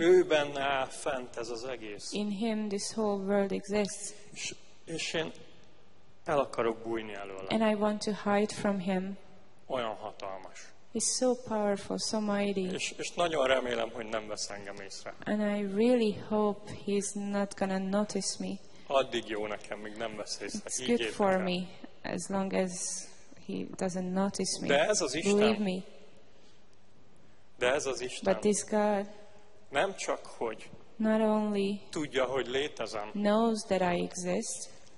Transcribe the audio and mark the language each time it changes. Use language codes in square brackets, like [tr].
[hu] Ő benne áll fent ez az egész. [en] In him this whole world exists. [hu] És én el akarok bújni előle. [en] And I want to hide from him. [hu] Olyan hatalmas. [en] He's so powerful, so mighty. [hu] És nagyon remélem, hogy nem vesz engem észre. [en] And I really hope he's not gonna notice me. [hu] Addig jó nekem, míg nem vesz észre. [en] It's good for me, as long as he doesn't notice me. [hu] De ez az Isten. [en] Believe me. [hu] De ez az Isten. [en] But this God. [hu] Nem csak hogy. [en] Not only. [hu] Tudja, hogy létezem. [en] Knows that I exist.